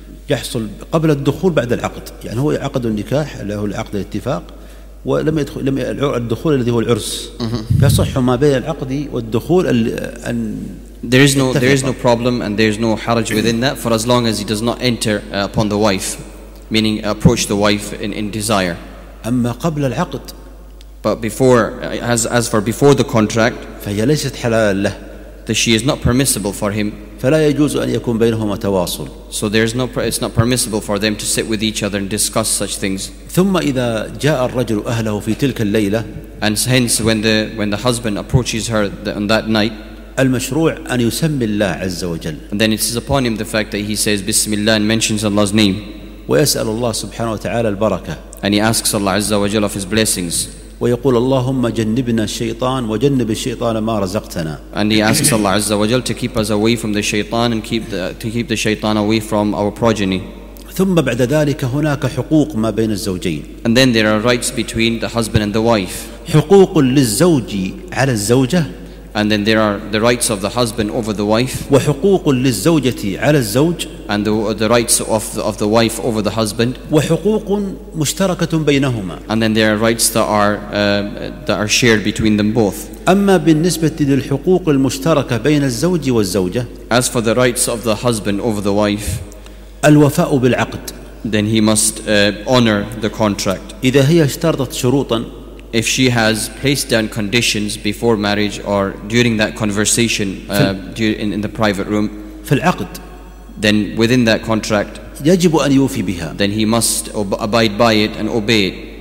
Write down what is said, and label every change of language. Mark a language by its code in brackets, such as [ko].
[ar] يحصل قبل الدخول بعد العقد. يعني هو عقد النكاح له العقد الاتفاق. ولم يدخل الدخول الذي هو العرس. يصح ما بين العقد والدخول أن [en] There is no problem and there is no haraj within that for as long as he does not enter upon the wife, meaning approach the wife in desire. [ar] أما قبل العقد. [en] But before, as for before the contract, [ar] فهي ليست حلال له. [en] That she is not permissible for him. [ar] فلا يجوز أن يكون بينهما تواصل. [en] So there is no, it's not permissible for them to sit with each other and discuss such things. [ar] ثم إذا جاء الرجل أهله في تلك الليلة. [en] And hence when the husband approaches her on that night. [ar] المشروع أن يسمي الله عز وجل. [en] And then it is upon him the fact that he says Bismillah and mentions Allah's name. [ar] ويسأل الله سبحانه وتعالى البركة. [en] And he asks Allah [ar] عز وجل [en] of his blessings. [ar] ويقول اللهم جنبنا الشيطان وجنب الشيطان ما رزقتنا. [en] And he asks Allah [ar] عز وجل [en] to keep us away from the shaitan and keep the shaitan away from our progeny. [ar] ثم بعد ذلك هناك حقوق ما بين الزوجين. [en] And then there are rights between the husband and the wife. [ar] حقوق للزوج على الزوجة. [en] And then there are the rights of the husband over the wife. [ar] وحقوق للزوجة على الزوج. [en] And the rights of the wife over the husband. [ar] وحقوق مشتركة بينهما. [en] And then there are rights that are shared between them both. [ar] أما بالنسبة للحقوق المشتركة بين الزوج والزوجة. [en] As for the rights of the husband over the wife. [ar] الوفاء بالعقد. [en] Then he must honor the contract. [ar] إذا هي اشترطت شروطا. [en] If she has placed down conditions before marriage or during that conversation in the private room, then within that contract, then he must abide by it and obey it.